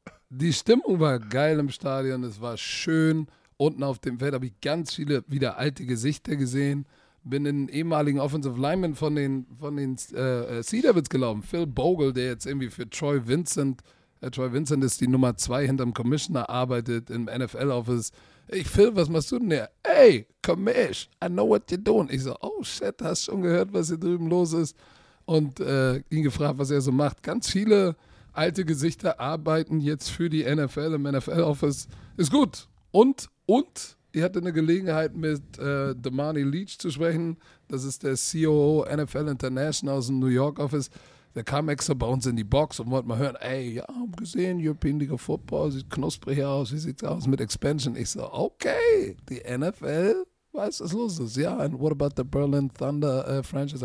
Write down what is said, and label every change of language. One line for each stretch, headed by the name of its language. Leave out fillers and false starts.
German: Die Stimmung war geil im Stadion. Es war schön. Unten auf dem Feld habe ich ganz viele wieder alte Gesichter gesehen. Bin in den ehemaligen Offensive Lineman von den Sea Devils gelaufen. Phil Bogle, der jetzt irgendwie für Troy Vincent ist die Nummer 2 hinterm Commissioner, arbeitet im NFL-Office. Ey, Phil, was machst du denn hier?
English: Ey, Commish, I know what you're doing.
German: Ich so, oh shit, hast schon gehört, was hier drüben los ist? Und ihn gefragt, was er so macht. Ganz viele alte Gesichter arbeiten jetzt für die NFL im NFL-Office. Ist gut. Und ich hatte eine Gelegenheit, mit Damani Leach zu sprechen. Das ist der COO NFL International aus dem New York-Office. Der kam extra bei uns in die Box und wollte mal hören, ey, ja, hab gesehen, European League of Football, sieht knusprig aus, wie sieht's aus mit Expansion? Ich so, okay, die NFL weiß, was los ist.
English: Ja, and what about the Berlin Thunder Franchise?